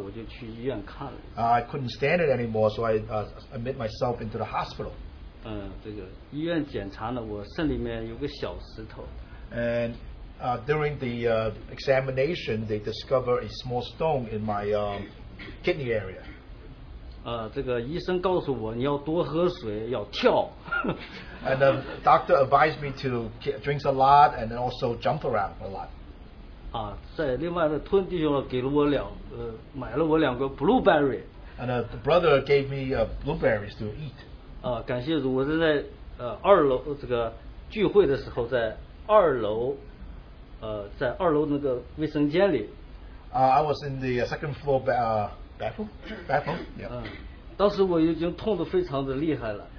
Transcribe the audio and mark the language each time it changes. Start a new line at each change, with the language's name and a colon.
Chinese: 那我有时候痛得不行了，我就去医院看了。
English: I couldn't stand it anymore, so I admit myself into the hospital.
Chinese: 这个医院检查呢，我肾里面有个小石头。And
English: during the examination, they discover a small stone in my kidney area.
Chinese: 这个医生告诉我，你要多喝水，要跳。
English: And the doctor advised me to drink a lot and also jump around a lot.
Chinese: 在另外的吞弟兄给了我两个 blueberry.
English: And the brother gave me blueberries to eat.
Chinese: 感谢主，我是在二楼这个聚会的时候，在二楼那个卫生间里。
English: I was in the second floor bathroom. Yeah.
Chinese: 当时我已经痛得非常的厉害了。